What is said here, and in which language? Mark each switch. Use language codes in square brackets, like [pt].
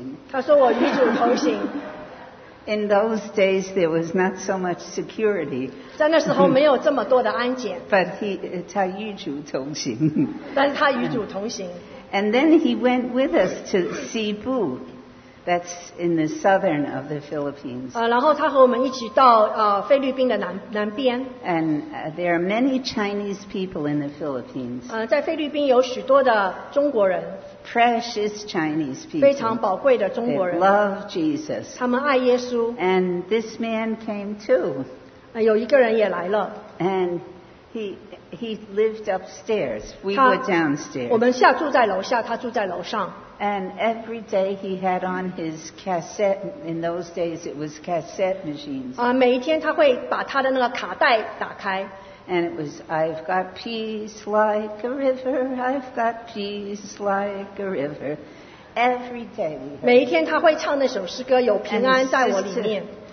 [zh] 他说我与主同行 [en] In those days, there was not so much security. [zh] 在那时候没有这么多的安检。 [en] But he, [zh] 他与主同行。但是他与主同行。 [en] And then he went with us to Cebu, that's in the southern of the Philippines. [zh] 然后他和我们一起到菲律宾的南边。 [en] And there are many Chinese people in the Philippines. [zh] 在菲律宾有许多的中国人。 [en] Precious Chinese people. [zh] 非常宝贵的中国人。 [en] They love Jesus. [zh] 他们爱耶稣。 [en] And this man came too. [zh] 有一个人也来了。 [en] And he lived upstairs. We were downstairs. [zh] 我们下住在楼下，他住在楼上。 [en] And every day he had on his cassette. In those days it was cassette machines. [zh] 每一天他会把他的那个卡带打开。 [en] And it was, I've got peace like a river, I've got peace like a river. Every day we heard. [zh] 每一天他会唱那首诗歌，有平安在我里面。